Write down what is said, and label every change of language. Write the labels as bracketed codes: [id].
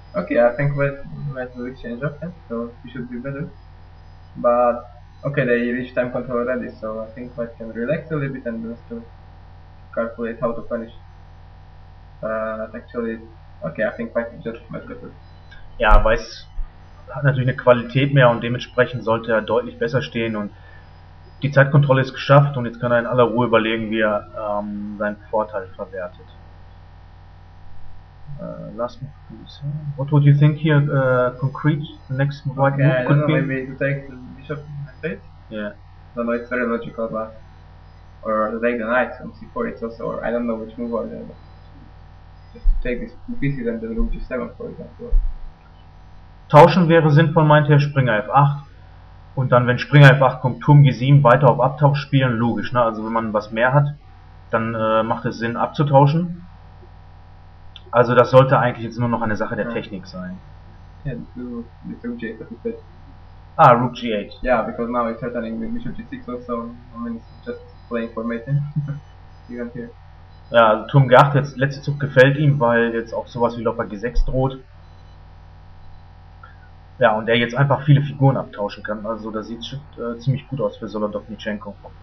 [en] Okay, I think red will change up, so it should be better. But okay, they reached time control already, so I think white can relax a little bit and just to calculate how to punish. But actually, okay, I think white is just much better. [de] Ja, weiß hat natürlich eine Qualität mehr und dementsprechend sollte er deutlich besser stehen und die Zeitkontrolle ist geschafft und jetzt kann er in aller Ruhe überlegen, wie er seinen Vorteil verwertet. [en] Last move. What would you think here, concrete, the next white okay, move could know, be? Maybe to take the bishop. Yeah. I don't know, it's very logical, but or to take the knight on c4, it's also, or I don't know which move or the, but just to take these two pieces and then rook g7, for example. [de] Tauschen wäre sinnvoll, meint er, Springer f8. Und dann, wenn Springer f8 kommt, Turm g7, weiter auf Abtausch spielen, logisch, ne? Also, wenn man was mehr hat, dann macht es Sinn abzutauschen. Also, das sollte eigentlich jetzt nur noch eine Sache der Technik sein. [en] Yeah, so, ah, rook g8. Yeah, because now he's threatening with bishop g6 also, I mean, it's just playing for mate, even here. [de] Ja, also Turm g8, jetzt, letzter Zug gefällt ihm, weil jetzt auch sowas wie Läufer g6 droht. Ja, und er jetzt einfach viele Figuren abtauschen kann, also da sieht es ziemlich gut aus für Zoran Dovnichenko.